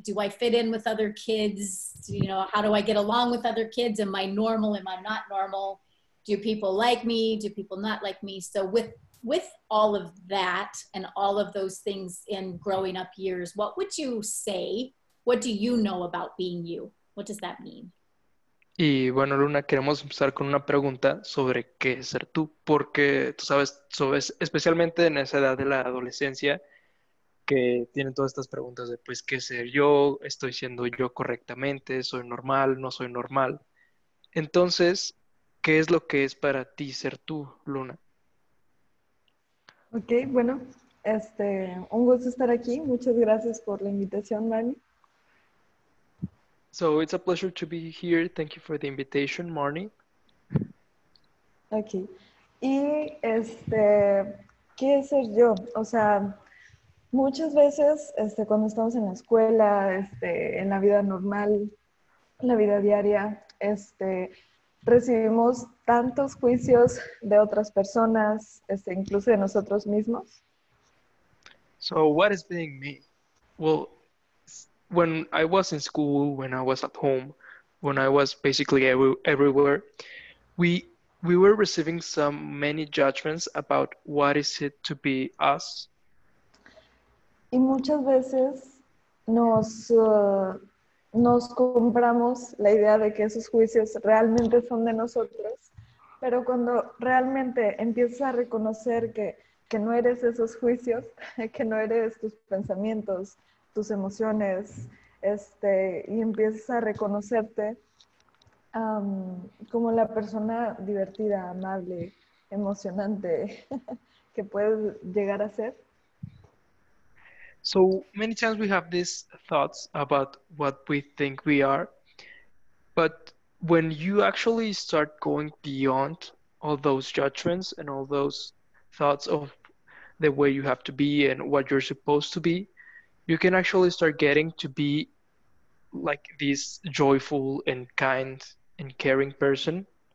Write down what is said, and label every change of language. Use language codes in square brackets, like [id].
[en] Do I fit in with other kids? You know, how do I get along with other kids? Am I normal? Am I not normal? Do people like me? Do people not like me? So with all of that and all of those things in growing up years, what would you say? What do you know about being you? What does that mean? [es] Y bueno, Luna, queremos empezar con una pregunta sobre qué es ser tú, porque tú sabes, especialmente en esa edad de la adolescencia, que tienen todas estas preguntas de, pues, ¿qué ser yo? ¿Estoy siendo yo correctamente? ¿Soy normal? ¿No soy normal? Entonces, ¿qué es lo que es para ti ser tú, Luna? Ok, bueno, un gusto estar aquí. Muchas gracias por la invitación, Marnie. [en] So, it's a pleasure to be here. Thank you for the invitation, Marnie. [es] Ok. Y, ¿qué es ser yo? O sea, muchas veces, cuando estamos en la escuela, en la vida normal, la vida diaria, recibimos tantos juicios de otras personas, incluso de nosotros mismos. [en] So, what is being me? Well, when I was in school, when I was at home, when I was basically everywhere, we were receiving so many judgments about what is it to be us. [es] Y muchas veces nos compramos la idea de que esos juicios realmente son de nosotros Pero cuando realmente empiezas a reconocer que no eres esos juicios, que no eres tus pensamientos, tus emociones, y empiezas a reconocerte como la persona divertida, amable, emocionante que puedes llegar a ser. [en] So many times we have these thoughts about what we think we are, but when you actually start going beyond all those judgments and all those thoughts of the way you have to be and what you're supposed to be, you can actually start getting to be like this joyful and kind and caring person.